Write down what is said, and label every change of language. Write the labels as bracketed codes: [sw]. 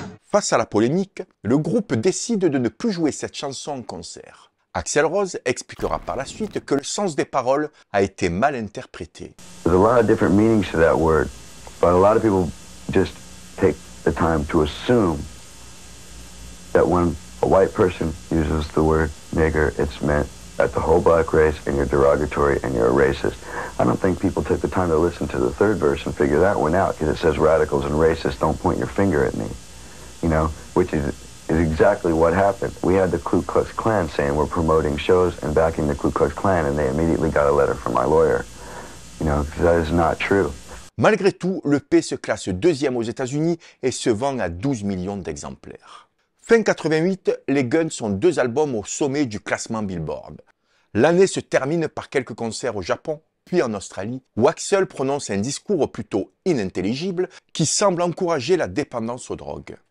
[fr] Face à la polémique, le groupe décide de ne plus jouer cette chanson en concert. Axl Rose expliquera par la suite que le sens des paroles a été mal interprété. [en] There's a lot of different meanings to that word, but a lot of people just take the time to assume that when a white person uses the word nigger, it's meant that the whole black race and you're derogatory and you're a racist. I don't think people took the time to listen to the third verse and figure that one out, because it says radicals and racists, don't point your finger at me. You know, which is exactly what happened. We had the Ku Klux Klan saying we're promoting shows and backing the Ku Klux Klan, and they immediately got a letter from my lawyer. You know, because that is not true. [fr] Malgré tout, l'EP se classe deuxième aux États-Unis et se vend à 12 millions d'exemplaires. Fin 88, les Guns sont deux albums au sommet du classement Billboard. L'année se termine par quelques concerts au Japon, puis en Australie, où Axel prononce un discours plutôt inintelligible qui semble encourager la dépendance aux drogues.